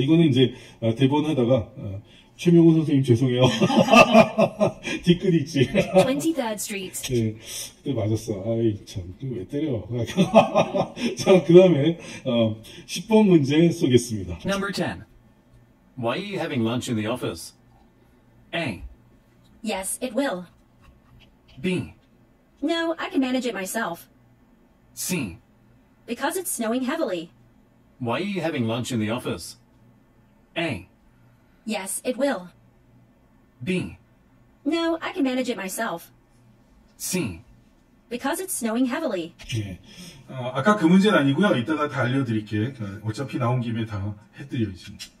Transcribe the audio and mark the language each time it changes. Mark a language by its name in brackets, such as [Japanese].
[Korean] 이거는 이제 대본 하다가, 최명호 선생님 죄송해요. 뒤끝 있지. 23rd Street. 네, 그때 맞았어. 아이 참, 왜 때려. 자, 그 다음에 10번 문제 쏘겠습니다. [English] Number 10. Why are you having lunch in the office? A. Yes, it will. B. No, I can manage it myself. C. Because it's snowing heavily. Why are you having lunch in the office? A. Yes, it will. B. No, I can manage it myself. C. Because it's snowing heavily. [Korean] 예. 아까 그 문제는 아니고요. 이따가 다 알려드릴게. 어차피 나온 김에 다 해드려야지.